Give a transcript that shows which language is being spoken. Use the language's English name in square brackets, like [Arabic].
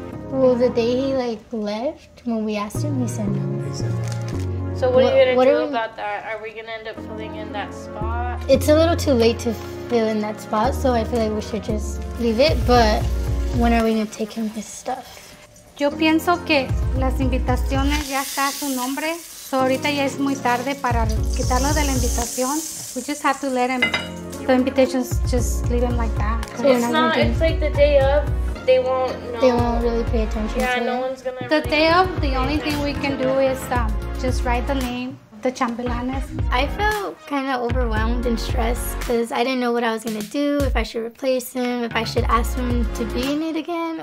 [English] Well, the day he like left, when we asked him, he said no. So what are we gonna do about that? Are we gonna end up filling in that spot? It's a little too late to fill in that spot, so I feel like we should just leave it, but when are we gonna take him his stuff? [Spanish] Yo pienso que las invitaciones ya está a su nombre. So ahorita ya es muy tarde para quitarlo de la invitación. [English] We just have to let him. The invitations, just leave him like that. It's like the day of, they won't know. They won't really pay attention to it. Yeah, no one's gonna. The day of, the only thing we can do is just write the name. The chambelanes. I felt kind of overwhelmed and stressed because I didn't know what I was gonna do, if I should replace him, if I should ask him to be in it again.